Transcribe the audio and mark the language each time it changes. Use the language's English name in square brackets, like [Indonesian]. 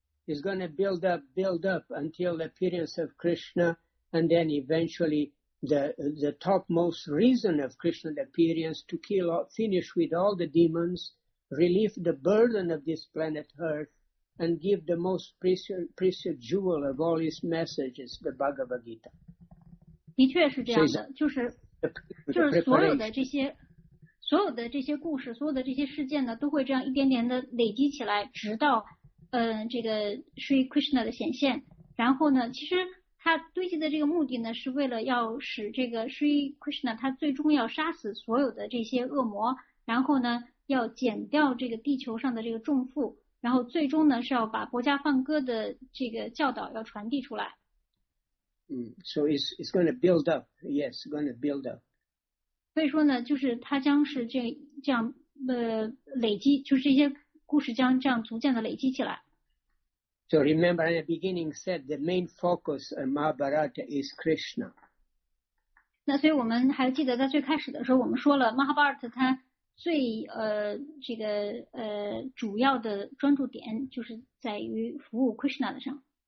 [English] It's going to build up until the appearance of Krishna, and then eventually. The topmost reason of Krishna's appearance to kill or finish with all the demons, relieve the burden of this planet Earth, and give the most precious jewel of all his messages, the Bhagavad Gita. [Chinese] 的确是这样的，就是所有的这些故事，所有的这些事件呢，都会这样一点点的累积起来，直到这个是Krishna的显现。然后呢，其实。他堆积的这个目的呢，是为了要使这个 Sri Krishna 他最终要杀死所有的这些恶魔，然后呢，要减掉这个地球上的这个重负，然后最终呢，是要把薄伽梵歌的这个教导要传递出来。 [English] So it's going to build up. Yes, going to build up. [Chinese] 所以说呢，就是他将是这样累积，就是这些故事将这样逐渐的累积起来。 [English] So remember, in the beginning, said the main focus of Mahabharata is Krishna. [Chinese] 那所以我们还记得在最开始的时候，我们说了 Mahabharata 它最这个主要的专注点就是在于服务 Krishna 的上。